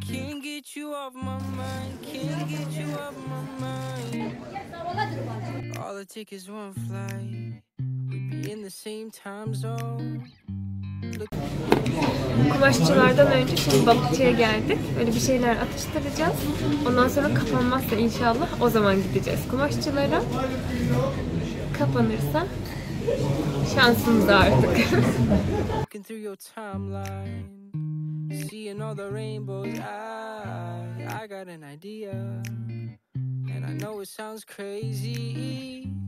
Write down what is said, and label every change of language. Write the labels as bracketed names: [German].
[English] Can't get you off my mind. Can't get you off my mind. All it takes is one flight. We'd be in the same time zone. [Turkish] Kumaşçılardan önce şimdi balıkçıya geldik. Böyle bir şeyler atıştıracağız. Ondan sonra kapanmazsa inşallah o zaman gideceğiz kumaşçılara. Kapanırsa şansımız artık. [English] Looking through your timeline, seeing all the rainbows, I got an idea. And I know it sounds crazy.